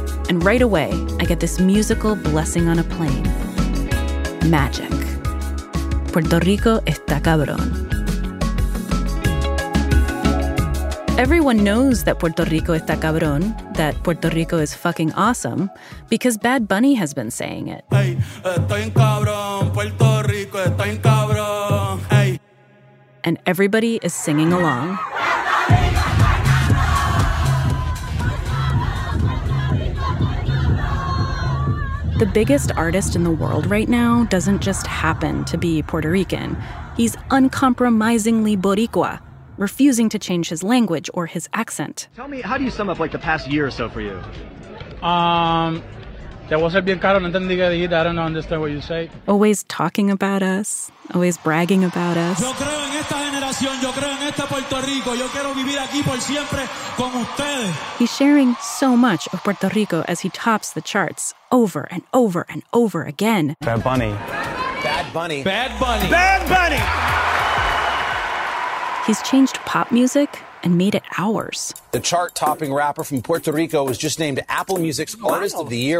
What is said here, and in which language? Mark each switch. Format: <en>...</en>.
<en>And right away, I get this musical blessing on a plane. Magic.</en> <es>Puerto Rico está cabrón.</es> <en>Everyone knows that</en> <es>Puerto Rico está cabrón,</es> <en>that Puerto Rico is fucking awesome, because Bad Bunny has been saying it.</en> <es>Hey, estoy en cabrón, Puerto Rico está en cabrón.</es> <en>Hey. And everybody is singing along. The biggest artist in the world right now doesn't just happen to be Puerto Rican. He's uncompromisingly Boricua, refusing to change his language or his accent. Tell me, how do you sum up like the past year or so for you? I don't understand what you say. Always talking about us, always bragging about us.</en> <es>Yo creo en esta generación, yo creo en este Puerto Rico, yo quiero vivir aquí por siempre con ustedes.</es> <en>He's sharing so much of Puerto Rico as he tops the charts over and over and over again. Bad Bunny. Bad Bunny. Bad Bunny. Bad Bunny. He's changed pop music and made it ours. The chart-topping rapper from Puerto Rico was just named Apple Music's Artist of the Year.</en>